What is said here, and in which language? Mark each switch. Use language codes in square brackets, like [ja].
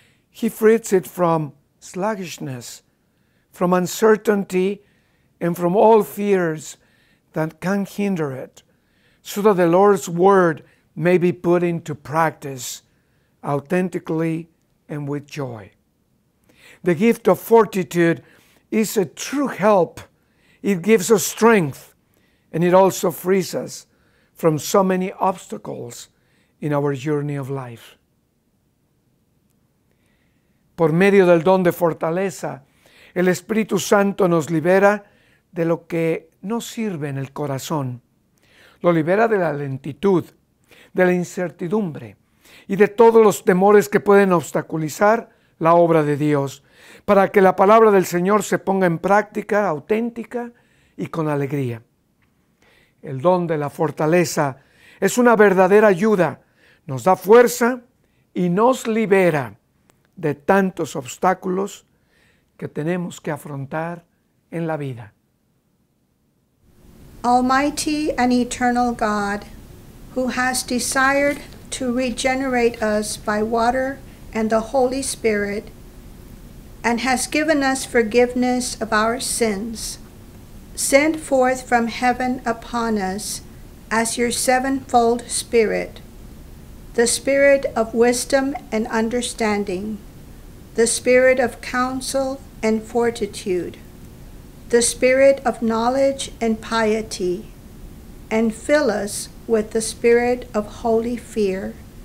[en] He frees it from sluggishness, from uncertainty, and from all fears that can hinder it, so that the Lord's word may be put into practice authentically and with joy. The gift of fortitude is a true help. It gives us strength, and it also frees us from so many obstacles in our journey of life. [es] Por medio del don de fortaleza, el Espíritu Santo nos libera de lo que no sirve en el corazón. Lo libera de la lentitud, de la incertidumbre, y de todos los temores que pueden obstaculizar la obra de Dios, para que la palabra del Señor se ponga en práctica, auténtica y con alegría. El don de la fortaleza es una verdadera ayuda, nos da fuerza y nos libera de tantos obstáculos que tenemos que afrontar en la vida. [en] Almighty and eternal God, who has desired to regenerate us by water and the Holy Spirit, and has given us forgiveness of our sins, send forth from heaven upon us as your sevenfold Spirit, the Spirit of wisdom and understanding, the Spirit of counsel and fortitude, the Spirit of knowledge and piety, and fill us with the Spirit of holy fear.